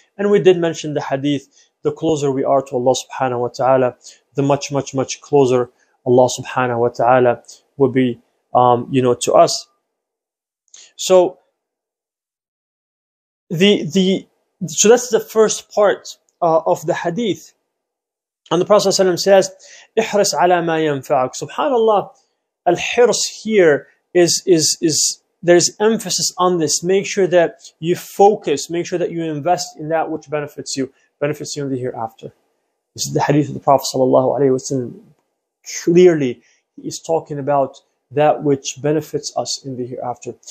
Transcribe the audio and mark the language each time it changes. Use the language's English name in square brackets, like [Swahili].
[English] And we did mention the hadith, the closer we are to Allah subhanahu wa ta'ala, the much, much, much closer Allah subhanahu wa ta'ala will be, to us. So so that's the first part of the hadith. And the Prophet ﷺ says, [Arabic] احرس على ما ينفعك. [English] Subhanallah, al-hirs here is there's emphasis on this. Make sure that you focus, make sure that you invest in that which benefits you in the hereafter. This is the hadith of the Prophet sallallahu alaihi wasallam. Clearly, he is talking about that which benefits us in the hereafter.